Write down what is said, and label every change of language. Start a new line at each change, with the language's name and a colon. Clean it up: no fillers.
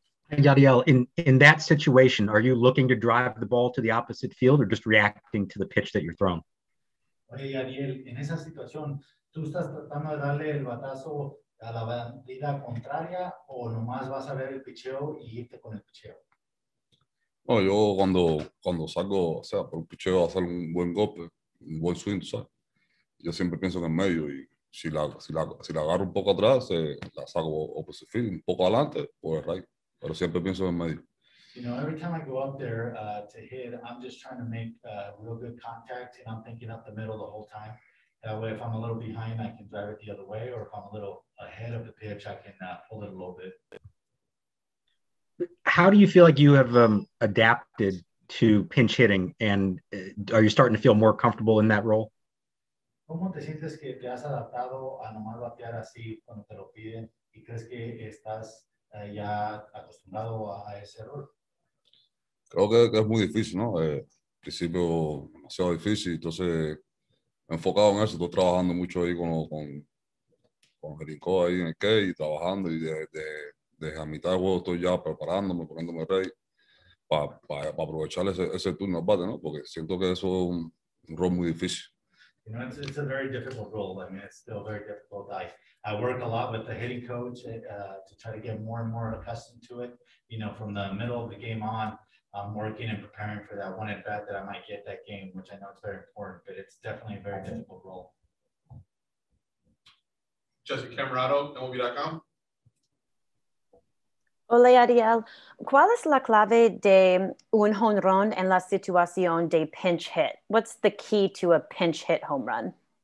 English: And Yadiel, in that situation, are you looking to drive the ball to the opposite field or just reacting to the pitch that you're throwing?
Spanish: Oye, Yadiel, en esa situación, ¿tú estás tratando de darle el batazo a la bandida contraria o nomás vas a ver el picheo y irte con el picheo? No, yo cuando salgo, o sea, por un picheo a hacer un buen golpe, un buen swing, ¿sabes? Yo siempre pienso en medio y si la agarro un poco atrás, la saco
English: opposite field,
Spanish: un poco adelante, pues right. Pero siempre pienso en medio.
English: You know, every time I go up there to hit, I'm just trying to make real good contact, and I'm thinking up the middle the whole time. That way, if I'm a little behind, I can drive it the other way, or if I'm a little ahead of the pitch, I can pull it a little bit. How do you feel like you have adapted to pinch hitting, and are you starting to feel more comfortable in that role?
Spanish: ¿Cómo te sientes que te has adaptado a nomás batear así cuando te lo piden, y crees que estás ya acostumbrado a ese rol? Creo que es muy difícil, ¿no? Al principio demasiado difícil, entonces me he enfocado en eso. Estoy trabajando mucho ahí con Jericó ahí en el K y trabajando. Y desde a mitad de juego estoy ya preparándome, poniéndome ready para aprovechar ese turno al bate, ¿no? Porque siento que eso es un rol muy difícil.
English: You know, it's a very difficult role. I mean, it's still very difficult. I work a lot with the hitting coach to try to get more and more accustomed to it. You know, from the middle of the game on, I'm working and preparing for that one at bat that I might get that game, which I know is very important, but it's definitely a very difficult role. Jesse Camerato, MLB.com.
Spanish: Hola, Ariel. ¿Cuál es la clave de un home run en la situación de pinch hit?
English: What's the key to a pinch hit home run?